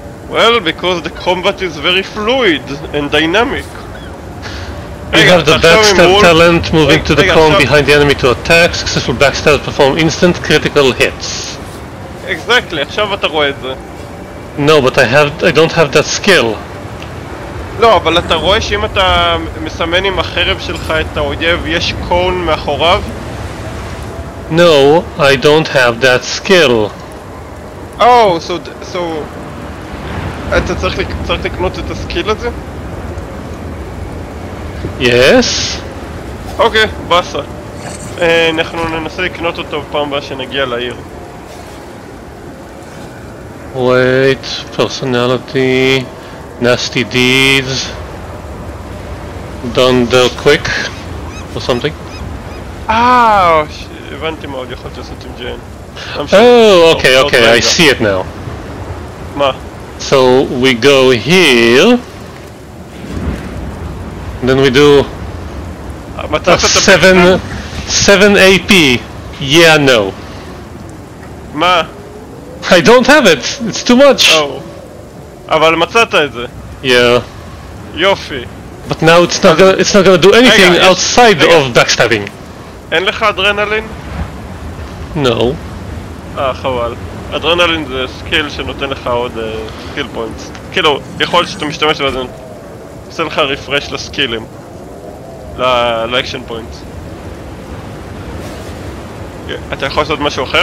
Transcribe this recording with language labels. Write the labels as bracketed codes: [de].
[en] Well, because the combat is very fluid and dynamic. You have the backstab talent moving to the prone behind the enemy to attack. Successful backstabs perform instant critical hits. Exactly, [he] עכשיו אתה רואה את זה. [en] No, but I don't have that skill. [he] לא, אבל אתה רואה שאם אתה מסמן עם החרב שלך את האויב, יש קון מאחוריו? [en] No, I don't have that skill. Oh, so... [he] אתה צריך לקנות את הסקיל הזה? [en] Yes. [he] אוקיי, באסה. אנחנו ננסה לקנות אותו פעם הבאה שנגיע לעיר. [en] Wait, personality, nasty deeds, done the quick, or something. [he] Ah, הבנתי מאוד, יכולתי לעשות עם ג'יין. [en] Oh, okay, okay, I see it now. [he] מה? [en] So, we go here, then we do a 7 AP, yeah, no. [he] מה? [en] I don't have it! It's too much! [he] Oh. אבל מצאת את זה. [en] Yeah. [he] יופי. [en] But now it's not gonna do anything outside of backstabbing. [he] אין לך אדרנלין? [en] No. [he] חבל. אדרנלין זה סקיל שנותן לך עוד סקיל פוינטס. כאילו, יכול להיות שאתה משתמש בזה, עושה לך רפרש לסקילים. לאקשן פוינטס. אתה יכול לעשות משהו אחר?